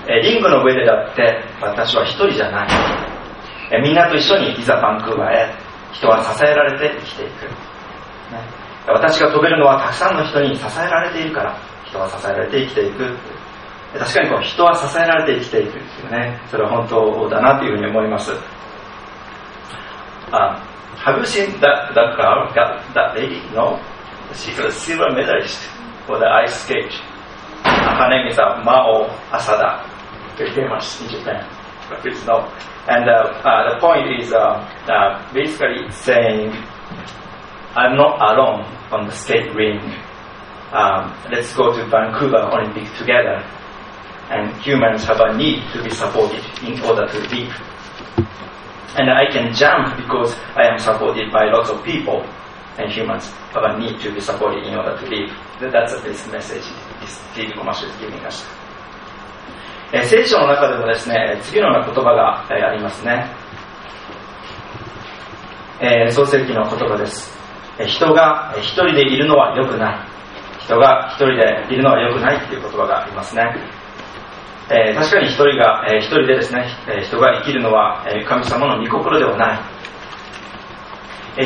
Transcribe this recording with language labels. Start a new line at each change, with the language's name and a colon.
Japanese: リングの上でだって私は一人じゃない、みんなと一緒にいざバンクーバーへ、人は支えられて生きていく、ね、私が飛べるのはたくさんの人に支えられているから、人は支えられて生きていく。確かにこう人は支えられて生きていくっていうね、それは本当だなというふうに思います。
English: Have you seen that girl, that lady? No, she's a silver medalist for the ice skate. Her name is Mao Asada. Very famous in Japan, but please know. And the point is basically saying, I'm not alone on the skate ring. Let's go to Vancouver Olympic together. And humans have a need to be supported in order to leap. And I can jump because I am supported by lots of people. And humans have a need to be supported in order to leap. That's the basic message this TV commercial is giving us.
Japanese: 聖書の中でもですね、次のような言葉がありますね。創世記の言葉です。人が一人でいるのは良くない。人が一人でいるのは良くないという言葉がありますね。確かに一人でですね、人が生きるのは神様の御心ではない。